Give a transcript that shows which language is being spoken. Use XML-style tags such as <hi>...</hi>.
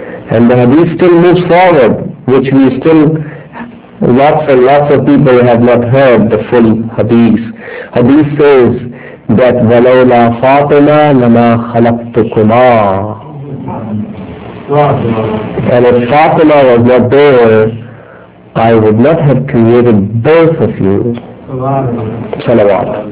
<en>And the hadith still moves forward, which we still, lots and lots of people have not heard the full hadith. Hadith says that</en> <ar>وَلَوْلَا فَاطِمَا لَمَا خَلَقْتُكُمَا.</ar> <en>And if Fatima was not there, I would not have created both of you. Salawat.</en>